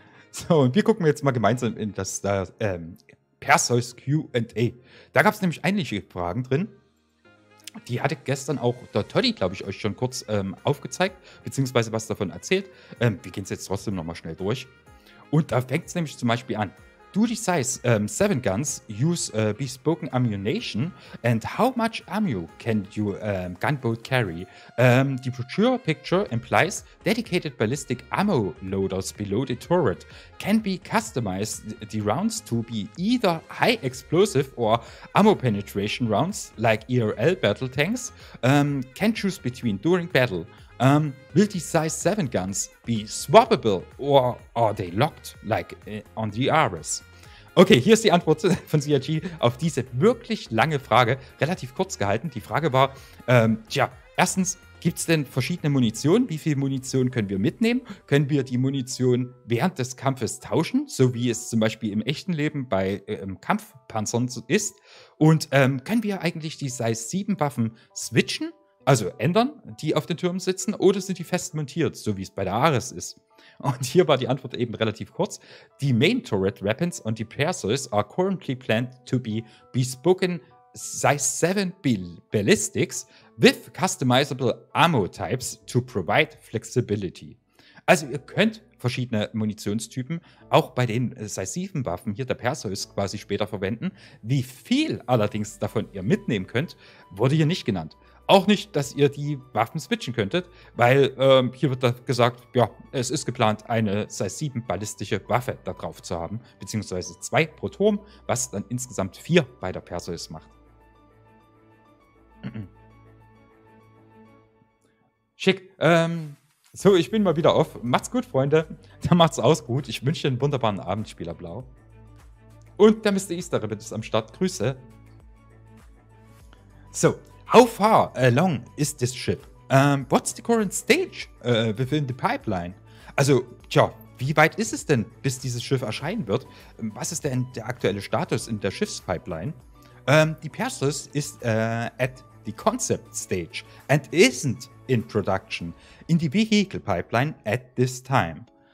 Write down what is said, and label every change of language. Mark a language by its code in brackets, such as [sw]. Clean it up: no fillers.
[de] So, und wir gucken jetzt mal gemeinsam in das Perseus Q&A. Da gab es nämlich einige Fragen drin. Die hatte gestern auch der Toddy, glaube ich, euch schon kurz aufgezeigt, beziehungsweise was davon erzählt. Wir gehen es jetzt trotzdem nochmal schnell durch. Und da fängt es nämlich zum Beispiel an. [en] Do the size 7 guns use bespoken ammunition? And how much ammo can you gunboat carry? The brochure picture implies dedicated ballistic ammo loaders below the turret. Can be customized the rounds to be either high explosive or ammo penetration rounds like ERL battle tanks. Can choose between during battle. Will the size 7 guns be swappable or are they locked like on the Ares? [de] Okay, hier ist die Antwort von CRG auf diese wirklich lange Frage, relativ kurz gehalten. Die Frage war, erstens, gibt es denn verschiedene Munition? Wie viel Munition können wir mitnehmen? Können wir die Munition während des Kampfes tauschen, so wie es zum Beispiel im echten Leben bei Kampfpanzern ist? Und können wir eigentlich die size 7 Waffen switchen? Also ändern, die auf den Türmen sitzen, oder sind die fest montiert, so wie es bei der Ares ist? Und hier war die Antwort eben relativ kurz. [en] The main turret weapons on the Perseus are currently planned to be bespoken size 7 ballistics with customizable ammo types to provide flexibility. [de] Also ihr könnt verschiedene Munitionstypen auch bei den size 7 Waffen hier der Perseus quasi später verwenden. Wie viel allerdings davon ihr mitnehmen könnt, wurde hier nicht genannt. Auch nicht, dass ihr die Waffen switchen könntet, weil hier wird da gesagt, ja, es ist geplant, eine Size 7 ballistische Waffe da drauf zu haben, beziehungsweise zwei pro Turm, was dann insgesamt 4 bei der Perseus macht. Schick. So, ich bin mal wieder off. Macht's gut, Freunde. Dann macht's aus gut. Ich wünsche dir einen wunderbaren Abend, Spieler Blau. Und der Mr. Easter Rabbit ist am Start. Grüße. [en] So. How far along is this ship? What's the current stage within the pipeline? [de] Also, tja, wie weit ist es denn, bis dieses Schiff erscheinen wird? Was ist denn der aktuelle Status in der Schiffspipeline? Die Perseus ist [en] at the concept stage and isn't in production in the vehicle pipeline at this time.